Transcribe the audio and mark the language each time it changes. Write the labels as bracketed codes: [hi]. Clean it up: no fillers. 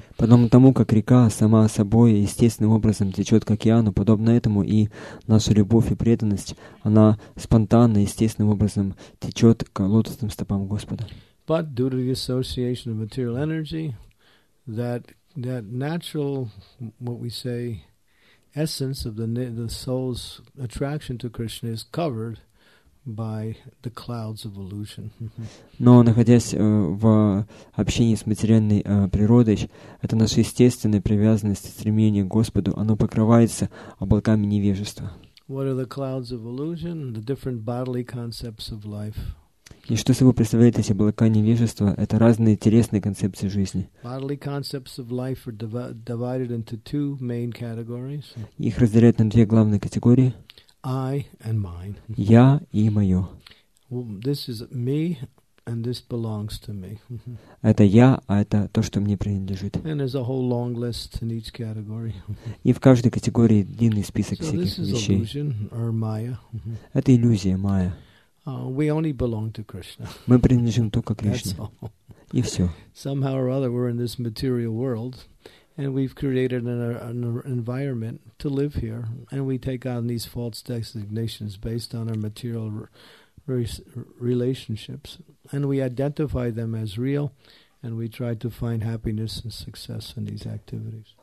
[ru] Подобно тому, как река сама собой естественным образом течет к океану, подобно этому и наша любовь и преданность, она спонтанно естественным образом течет к лотосным стопам Господа. [en] But due to the association of material energy, that natural, what we say, essence of the soul's attraction to Krishna is covered by the clouds of illusion. [ru] Но находясь в общении с материальной природой, это наша естественная привязанность, стремление к Господу, оно покрывается облаками невежества. [en] What are the clouds of illusion? The different bodily concepts of life. [ru] И что собой представляют эти облака невежества? Это разные телесные концепции жизни. [en] Bodily concepts of life are divided into two main categories. [ru] Их разделяют на две главные категории. [en] I and mine. [ru] Я и мое. [en] This is me, and this belongs to me. [ru] Это я, а это то, что мне принадлежит. [en] And there's a whole long list in each category. [ru] И в каждой категории длинный список всяких вещей. [en] So this is illusion or Maya. [ru] Это иллюзия, Maya. [en] We only belong to Krishna. [ru] Мы принадлежим только Кришне. [en] That's all. [ru] И все. [en] Somehow or other, we're in this material world. And we've created an environment to live here, and we take on these false designations based on our material relationships, and we identify them as real, and we try to find happiness and success in these activities.